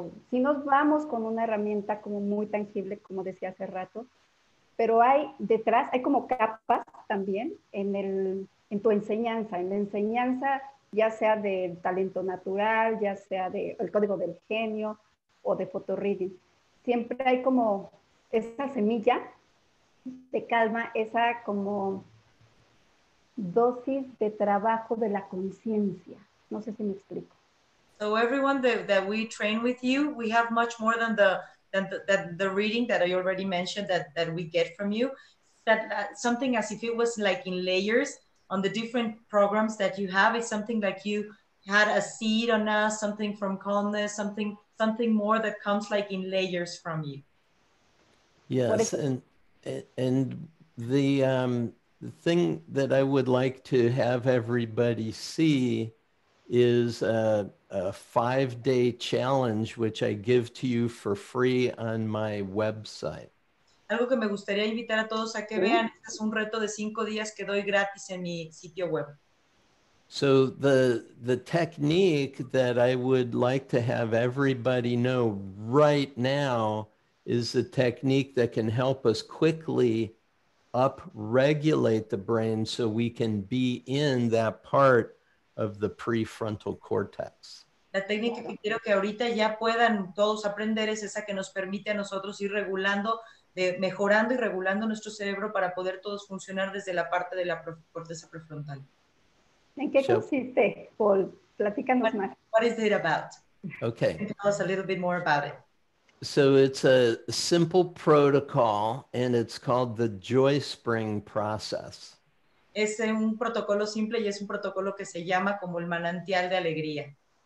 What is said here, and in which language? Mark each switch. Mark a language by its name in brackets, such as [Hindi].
[Spanish] Si nos vamos con una herramienta como muy tangible, como decía hace rato, pero hay detrás, hay como capas también en tu enseñanza, en la enseñanza ya sea del talento natural, ya sea del código del genio o de photoreading. Siempre hay como esa semilla de calma, esa como dosis de trabajo de la conciencia. No sé si me explico. [English] So everyone that we train with you, we have much more than the reading that I already mentioned that we get from you. That something as if it was like in layers on the different programs that you have. It's something like you had a seed on us, something from calmness, something more that comes like in layers from you. Yes, and the thing that I would like to have everybody see is a 5-day challenge which I give to you for free on my website. [Spanish] Algo que me gustaría invitar a todos a que vean, este es un reto de 5 días que doy gratis en mi sitio web. [English] So the technique that I would like to have everybody know right now is the technique that can help us quickly upregulate the brain so we can be in that part of the prefrontal cortex. [Spanish] La técnica que quiero que ahorita ya puedan todos aprender es esa que nos permite a nosotros ir regulando, mejorando y regulando nuestro cerebro para poder todos funcionar desde la parte de la corteza prefrontal. ¿En qué consiste, Paul? Platícanos más. [English] What is it about? Okay. Tell us a little bit more about it. So it's a simple protocol and it's called the Joy Spring process. [Spanish] Es un protocolo simple y es un protocolo que se llama como el manantial de alegría.